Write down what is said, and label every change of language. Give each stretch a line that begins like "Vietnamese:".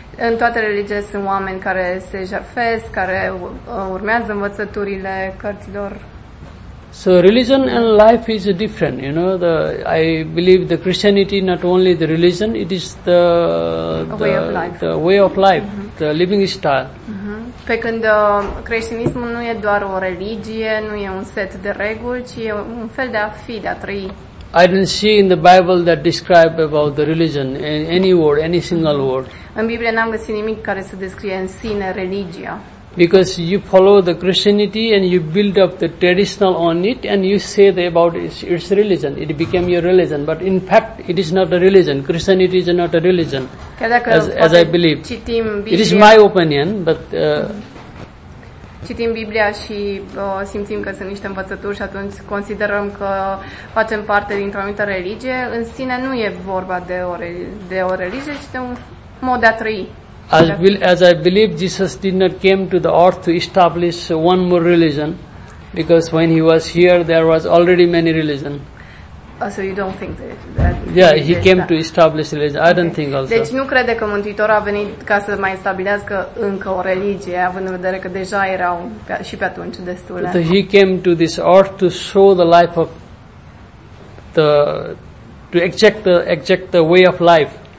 Romanian: În toate religiile sunt oameni care se jertfesc, care urmează învățăturile cărților.
English: So religion and life is different, you know. The I believe the Christianity not only the religion, it is the way of life, mm-hmm. the living style. Mm-hmm.
Romanian: Pe când creștinismul nu e doar o religie, nu e un set de reguli, ci e un fel de a fi, de a trăi.
English: I don't see in the Bible that describe about the religion in any word, any single word.
Romanian: În Biblie n-am găsit nimic care să descrie în sine religia.
English: Because you follow the Christianity and you build up the traditional on it and you say about its religion, it became your religion. But in fact, it is not a religion. Christianity is not a religion, as I believe.
Romanian: Biblia,
English: it is my opinion, but
Romanian: citim Biblia și simțim că sunt niște învățături și atunci considerăm că facem parte dintr-o anumită religie. În sine nu e vorba de o religie, ci de un mod de a trăi.
English: As I believe Jesus did not came to the earth to establish one more religion, because when he was here there was already many religion. So you don't think that? Yeah, he came to establish religion. I don't think also.
Romanian: Deci nu crede că Mântuitorul a venit ca să mai stabilească încă o religie, având în vedere că deja erau și pe atunci destule.
English: So he came to this earth to show the life of the to exact the way of life.